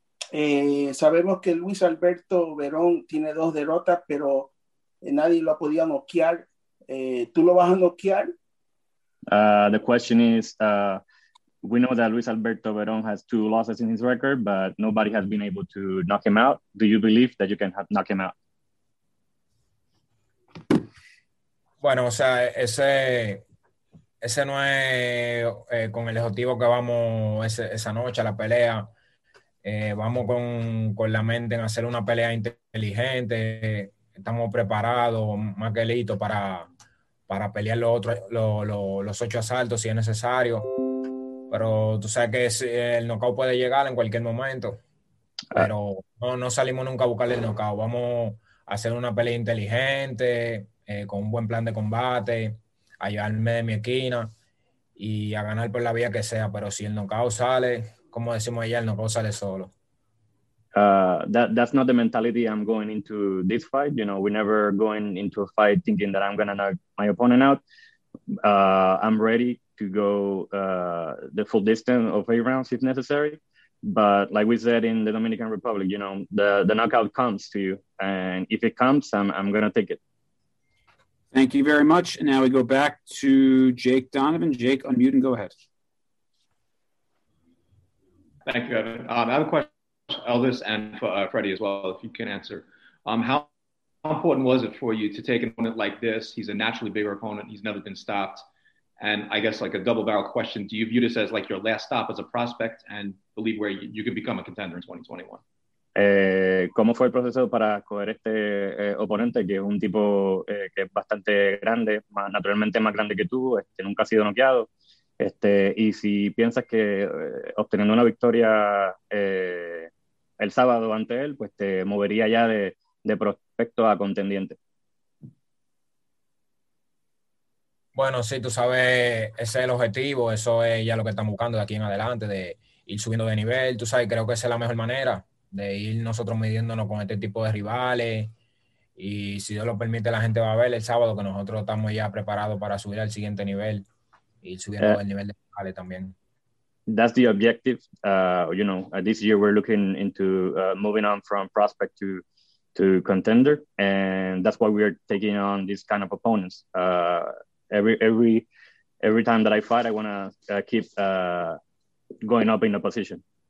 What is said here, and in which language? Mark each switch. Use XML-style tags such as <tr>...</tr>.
<es>Sabemos que Luis Alberto Verón tiene dos derrotas, pero nadie lo ha podido noquear. ¿Tú lo vas a noquear?</es> <en>The question is, we know that Luis Alberto Verón has two losses in his record, but nobody has been able to knock him out. Do you believe that you can knock him out?</en> <es>Bueno, o sea, ese no es con el objetivo que vamos esa noche a la pelea. Vamos con la mente en hacer una pelea inteligente. Estamos preparados, más que listos para pelear los ocho asaltos si es necesario, pero tú sabes que el knockout puede llegar en cualquier momento, pero no salimos nunca a buscar el knockout. Vamos a hacer una pelea inteligente, con un buen plan de combate, a llevarme de mi esquina y a ganar por la vía que sea, pero si el knockout sale, como decimos allá, el knockout sale solo.</es> <en>That's not the mentality I'm going into this fight. You know, we never going into a fight thinking that I'm going to knock my opponent out. I'm ready to go the full distance of eight rounds if necessary. But like we said in the Dominican Republic, you know, the knockout comes to you. And if it comes, I'm going to take it. Thank you very much. And now we go back to Jake Donovan. Jake, unmute and go ahead. Thank you, Evan. I have a question. Elvis and for Freddie as well, if you can answer. How important was it for you to take an opponent like this? He's a naturally bigger opponent. He's never been stopped. And I guess like a double barrel question, do you view this as like your last stop as a prospect and believe where you could become a contender in 2021?</en> <es>¿Cómo fue el proceso para coger este oponente que es un tipo que es bastante grande, más, naturalmente más grande que tú, nunca ha sido noqueado? Y si piensas que obteniendo una victoria el sábado ante él, pues te movería ya de prospecto a contendiente. Bueno, sí, tú sabes, ese es el objetivo, eso es ya lo que estamos buscando de aquí en adelante, de ir subiendo de nivel, tú sabes, creo que esa es la mejor manera de ir nosotros midiéndonos con este tipo de rivales, y si Dios lo permite, la gente va a ver el sábado que nosotros estamos ya preparados para subir al siguiente nivel, y ir subiendo el nivel de rivales también.</es> <en>That's the objective, you know, this year we're looking into moving on from prospect to contender, and that's why we are taking on these kind of opponents. Every time that I fight, I want to keep going up in the position.</en>